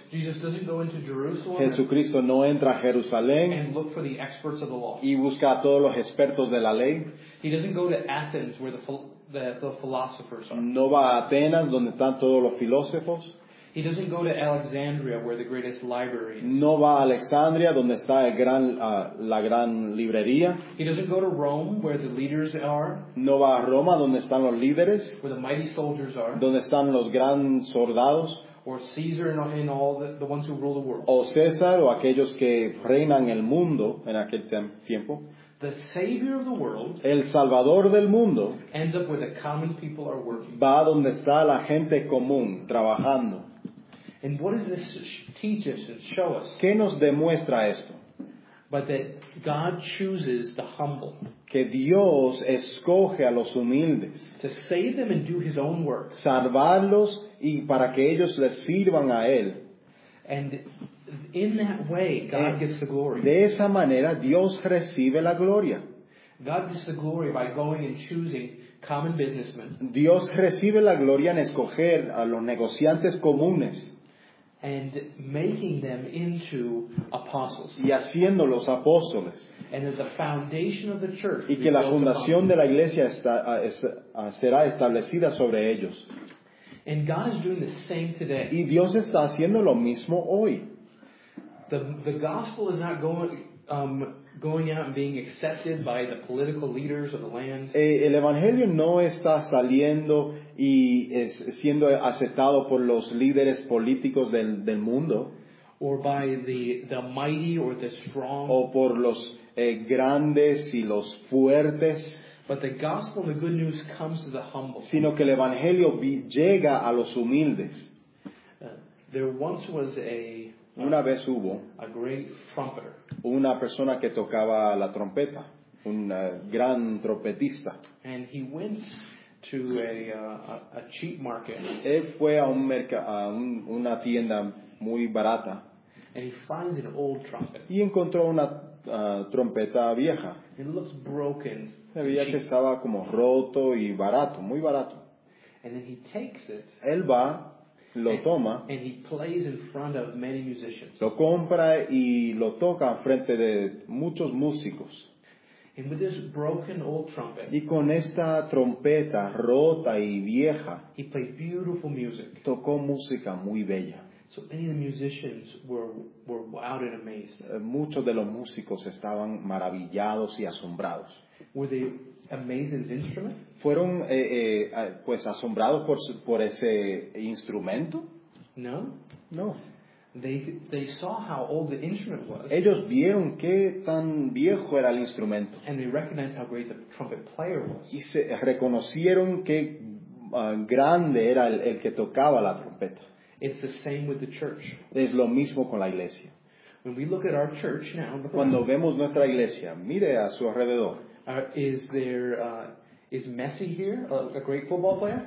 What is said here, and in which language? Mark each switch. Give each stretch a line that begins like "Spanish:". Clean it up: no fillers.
English: Jesus doesn't go into Jerusalem.
Spanish: Jesucristo no entra a Jerusalén.
English: And look for the experts of the law.
Spanish: Y busca a todos los expertos de la ley.
English: He doesn't go to Athens where the philosophers are.
Spanish: No va a Atenas donde están todos los filósofos.
English: He doesn't go to Alexandria where the greatest library is.
Spanish: No va a Alexandria donde está la gran librería.
English: He doesn't go to Rome where the leaders are.
Spanish: No va a Roma donde están los líderes.
English: Where the mighty soldiers are.
Spanish: Donde están los gran soldados.
English: Or Caesar and all the ones who rule the world.
Spanish: O César o aquellos que reinan el mundo en aquel tiempo.
English: The Savior of the world,
Spanish: el Salvador del mundo,
English: ends up where the common people are working.
Spanish: Va donde está la gente común trabajando.
English: And what does this teach us and show us?
Spanish: ¿Qué nos demuestra esto?
English: But that God chooses the humble.
Spanish: Que Dios escoge a los humildes.
English: To save them and do His own work.
Spanish: Salvarlos y para que ellos les sirvan a Él.
English: And in that way, God gets the glory.
Spanish: De esa manera, Dios recibe la gloria.
English: God gets the glory by going and choosing common businessmen.
Spanish: Dios recibe la gloria en escoger a los negociantes comunes.
English: And making them into apostles.
Spanish: Y haciéndolos apóstoles.
English: And that the foundation of the church.
Spanish: Y que la fundación de la iglesia será establecida sobre ellos.
English: And God is doing the same today.
Spanish: Y Dios está haciendo lo mismo hoy.
English: The gospel is not going out and being accepted by the political leaders of the land.
Spanish: El evangelio no está saliendo y es siendo aceptado por los líderes políticos del mundo.
English: Or by the mighty or the strong.
Spanish: O por los grandes y los fuertes.
English: But the gospel, the good news, comes to the humble.
Spanish: Sino que el evangelio llega a los humildes.
English: There once was a
Spanish: una vez hubo
English: a great trumpeter.
Spanish: Una persona que tocaba la trompeta, un gran trompetista.
English: And he went to a cheap market.
Spanish: Él fue a un una tienda muy barata.
English: And he finds an old trumpet.
Spanish: Y encontró una trompeta vieja.
English: It looks broken.
Spanish: Se veía que estaba como roto y barato, muy barato.
English: And then he takes it,
Spanish: él va, lo toma,
English: and he plays in front of many musicians.
Spanish: Lo compra y lo toca frente de muchos músicos.
English: And with this broken old trumpet,
Spanish: y con esta trompeta rota y vieja,
English: he played beautiful music.
Spanish: Tocó música muy bella.
English: So many of the musicians were wowed and amazed.
Spanish: Muchos de los músicos estaban maravillados y asombrados.
English: Were they amazed at the instrument?
Spanish: Fueron pues asombrados por ese instrumento?
English: No.
Spanish: No.
English: They saw how old the instrument was.
Spanish: Ellos vieron qué tan viejo era el instrumento.
English: And they recognized how great the trumpet player was.
Spanish: Y se reconocieron qué grande era el que tocaba la trompeta.
English: It's the same with the church.
Spanish: Es lo mismo con la iglesia.
English: When we look at our church now,
Spanish: cuando vemos nuestra iglesia, mire a su alrededor.
English: Is Messi here, a great football player?